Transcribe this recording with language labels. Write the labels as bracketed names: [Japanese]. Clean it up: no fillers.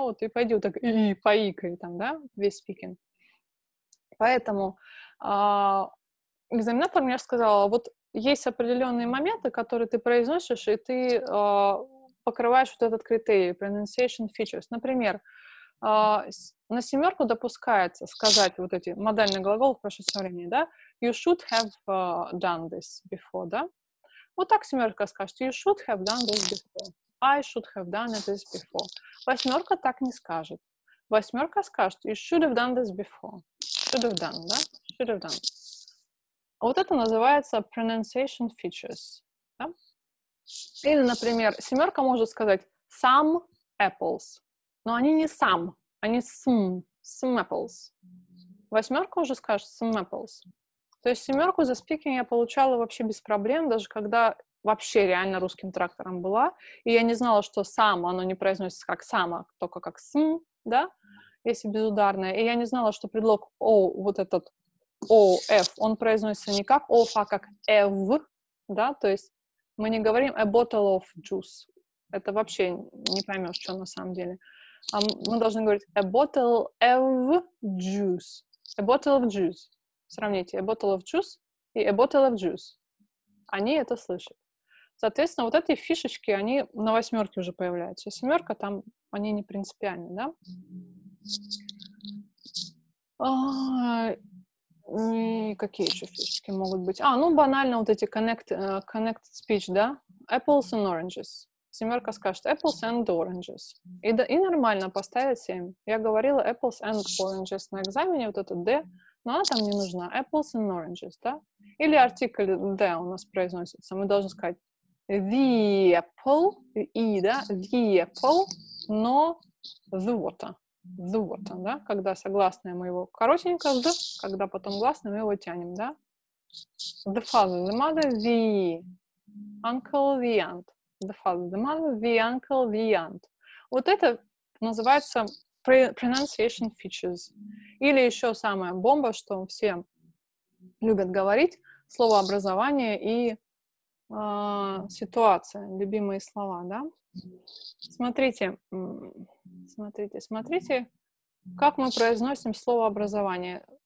[Russian] Вот и пойди вот так «и», поикай там, да? Весь speaking. Поэтому экзаменатор мне сказала, вот есть определенные моменты, которые ты произносишь, и ты покрываешь вот этот критерий, pronunciation features. Например, на семерку допускается сказать вот эти модальные глаголы в прошедшем времени, да? [English] You should have done this before, да? [Russian] Вот так семерка скажет. [English] You should have done this before. I should have done this before. [Russian] Восьмерка так не скажет. Восьмерка скажет. [English] You should have done this before. Should have done, да? Should have done. [Russian] А вот это называется pronunciation features. Да? Или, например, семерка может сказать [English] some apples. [Russian] Но они не some, они [English] some apples. [Russian] Восьмерка уже скажет some apples. То есть семерку за speaking я получала вообще без проблем, даже когда вообще реально русским трактором была, и я не знала, что some, оно не произносится как some, только как some, да, если безударное. И я не знала, что предлог o, вот этот o, f, он произносится не как of, а как ev, да, то есть мы не говорим [English] a bottle of juice. [Russian] Это вообще не поймешь, что на самом деле. Мы должны говорить [English] a bottle of juice. A bottle of juice. [Russian] Сравните, [English] a bottle of juice и a bottle of juice. [Russian] Они это слышат. Соответственно, вот эти фишечки, они на восьмерке уже появляются. Семерка там, они не принципиальны, да? И какие еще фишечки могут быть? А, ну банально вот эти connected speech, да? [English] Apples and oranges. [Russian] Семерка скажет [English] apples and oranges. [Russian] И нормально поставить 7. Я говорила [English] apples and oranges [Russian] на экзамене, вот это D. Но она там не нужна. [English] Apples and oranges, да? [Russian] Или артикль D у нас произносится. Мы должны сказать [English] the apple, [Russian] и, да? [English] The apple, [Russian] но [English] the water. The water, да? [Russian] Когда согласное мы его коротенько, the, когда потом гласное мы его тянем, да? [English] The father, the mother, the uncle, the aunt. The father, the mother, the uncle, the aunt. [Russian] Вот это называется pronunciation features. Или еще самая бомба, что все любят говорить, слово образование и ситуация, любимые слова, да? Смотрите, как мы произносим слово образование.